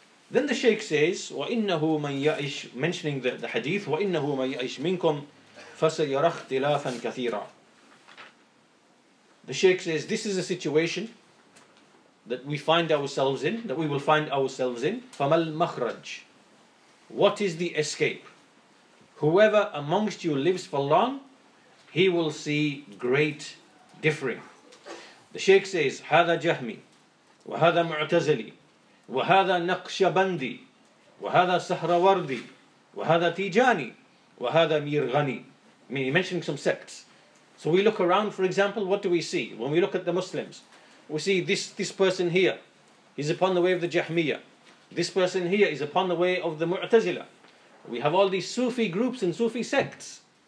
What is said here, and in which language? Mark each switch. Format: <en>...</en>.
<en>Then the Shaykh says,</en> <ar>وَإِنَّهُ مَنْ يَعِشْ,</ar> <en>mentioning the hadith,</en> <ar>وَإِنَّهُ مَنْ يَعِشْ مِنْكُمْ فَسَيَرَى اخْتِلَافًا كَثِيرًا.</ar> <en>The Shaykh says, this is a situation that we find ourselves in, that we will find ourselves in.</en> <ar>فَمَا الْمَخْرَجِ.</ar> <en>What is the escape? Whoever amongst you lives for long, he will see great differing. The Shaykh says,</en> <ar>هَذَا جَهْمِي وَهَذَا مُعْتَزَلِي وَهَذَا نَقْشَبَنْدِي وَهَذَا سَحْرَوَرْدِي وَهَذَا تِيجَانِي وَهَذَا مِيرْغَنِي.</ar> <en>I mean, he mentioned some sects. So we look around, for example, what do we see? When we look at the Muslims, we see this person here, he's upon the way of the Jahmiyyah. This person here is upon the way of the Mu'tazila. We have all these Sufi groups and Sufi sects.</en>